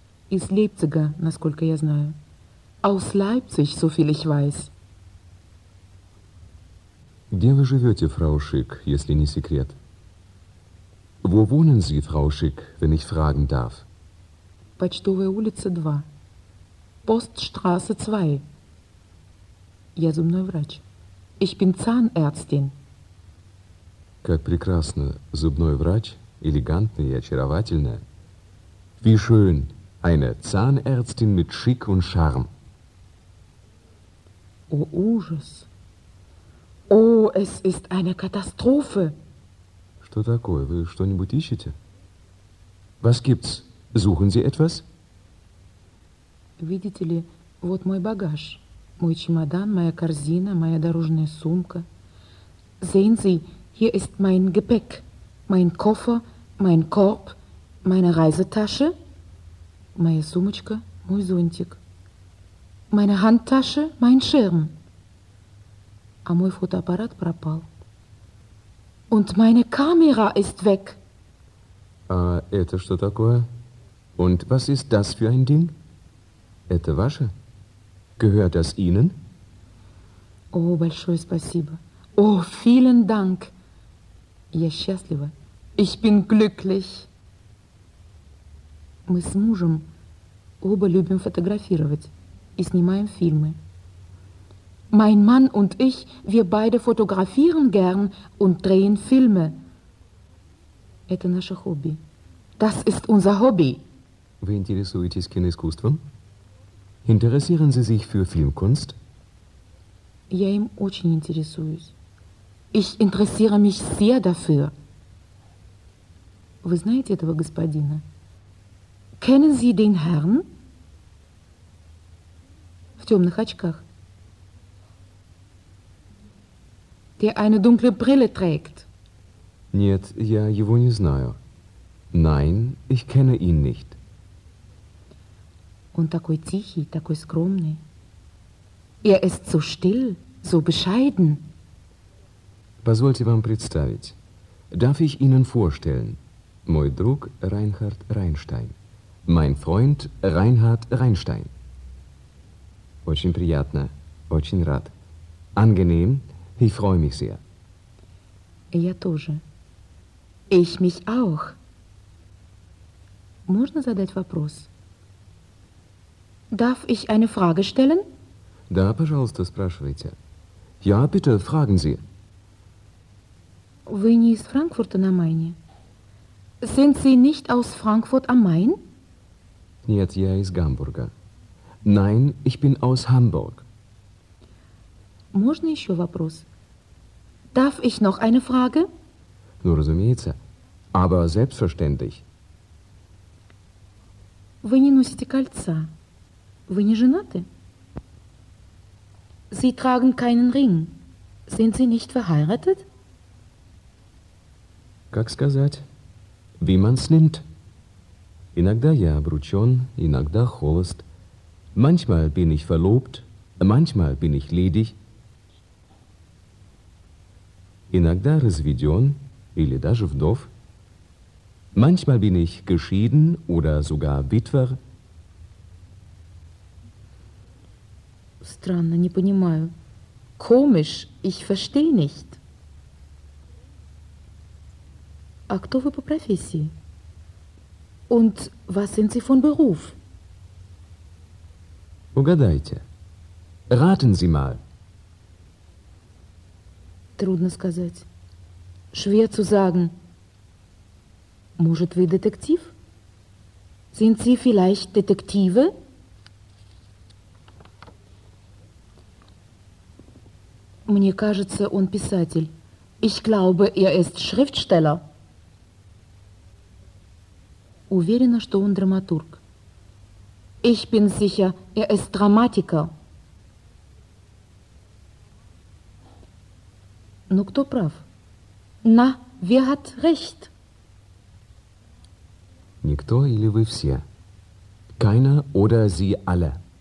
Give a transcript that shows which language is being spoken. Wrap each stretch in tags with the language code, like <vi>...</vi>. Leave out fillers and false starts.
<ru>Из Лейпцига, насколько я знаю.</ru> <de>Aus Leipzig, soviel ich weiß.</de> <ru>Где вы живете, Frau Schick, если не секрет?</ru> <de>Wo wohnen Sie, Frau Schick, wenn ich fragen darf?</de> <ru>Почтовая улица 2.</ru> <de>Poststraße 2.</de> <ru>Я зубной врач.</ru> <de>Ich bin Zahnärztin.</de> <ru>Как прекрасно, зубной врач, элегантная и очаровательная.</ru> <de>Wie schön, eine Zahnärztin mit Schick und Charme.</de> <ru>О, ужас.</ru> <de>О, es ist eine Katastrophe.</de> <ru>Что такое? Вы что-нибудь ищете?</ru> <de>Was gibt's? Suchen Sie etwas?</de> <ru>Видите ли, вот мой багаж. Мой чемодан, моя корзина, моя дорожная сумка.</ru> <de>Sehen Sie, hier ist mein Gepäck. Mein Koffer, mein Korb, meine Reisetasche.</de> <ru>Моя сумочка, мой зонтик.</ru> <de>Meine Handtasche, mein Schirm.</de> <ru>А мой фотоаппарат пропал.</ru> <de>Und meine Kamera ist weg.</de> <ru>А это что такое?</ru> <de>Und was ist das für ein Ding? Это ваше? Gehört das Ihnen?</de> <ru>О, большое спасибо.</ru> <de>О, vielen Dank.</de> <ru>Я счастлива.</ru> <de>Ich bin glücklich.</de> <ru>Мы с мужем оба любим фотографировать и снимаем фильмы.</ru> <de>Mein Mann und ich, wir beide fotografieren gern und drehen Filme.</de> <ru>Это наше хобби.</ru> <de>Das ist unser Hobby.</de> <ru>Вы интересуетесь киноискусством?</ru> <de>Interessieren Sie sich für Filmkunst?</de> <ru>Я им очень интересуюсь.</ru> <de>Ich interessiere mich sehr dafür.</de> <ru>Вы знаете этого господина?</ru> <de>Kennen Sie den Herrn?</de> <ru>В темных очках.</ru> <de>Der eine dunkle Brille trägt.</de> <ru>Нет, я его не знаю.</ru> <de>Nein, ich kenne ihn nicht.</de> <ru>Он такой тихий, такой скромный.</ru> <de>Er ist so still, so bescheiden.</de> <ru>Позвольте вам представить.</ru> <de>Darf ich Ihnen vorstellen?</de> <ru>Мой друг</ru> <de>Reinhard Rheinstein. Mein Freund Reinhard Rheinstein.</de> <ru>Очень приятно, очень рад.</ru> <de>Angenehm, ich freue mich sehr.</de> <ru>Я тоже.</ru> <de>Ich mich auch.</de> <ru>Можно задать вопрос?</ru> <de>Darf ich eine Frage stellen?</de> <ru>Да, пожалуйста, спрашивайте.</ru> <de>Ja, bitte, fragen Sie.</de> <ru>Вы не из Франкфурта на Майне?</ru> <de>Sind Sie nicht aus Frankfurt am Main?</de> <ru>Нет, я из Гамбурга.</ru> <de>Nein, ich bin aus Hamburg.</de> <ru>Можно еще вопрос?</ru> <de>Darf ich noch eine Frage?</de> <ru>Ну, разумеется.</ru> <de>Aber selbstverständlich.</de> <ru>Вы не носите кольца. Вы не женаты?</ru> <de>Sie tragen keinen Ring. Sind Sie nicht verheiratet?</de> <ru>Как сказать?</ru> <de>Wie man's nimmt.</de> <ru>Иногда я обручен, иногда холост.</ru> <de>Manchmal bin ich verlobt, manchmal bin ich ledig.</de> <ru>Иногда разведен или даже вдов.</ru> <de>Manchmal bin ich geschieden oder sogar Witwer.</de> <ru>Странно, не понимаю.</ru> <de>Komisch, ich verstehe nicht.</de> <ru>А кто вы по профессии?</ru> <de>Und was sind Sie von Beruf?</de> <ru>Угадайте.</ru> <de>Raten Sie mal.</de> <ru>Трудно сказать.</ru> <de>Schwer zu sagen.</de> <ru>Может, вы детектив?</ru> <de>Sind Sie vielleicht Detektive?</de> <ru>Мне кажется, он писатель.</ru> <de>Ich glaube, ist Schriftsteller.</de> <ru>Уверена, что он драматург.</ru> <de>Ich bin sicher, ist Dramatiker.</de> <ru>Но кто прав?</ru> <de>Na, wer hat recht?</de> <ru>Никто или вы все?</ru> <de>Keiner oder Sie alle?</de>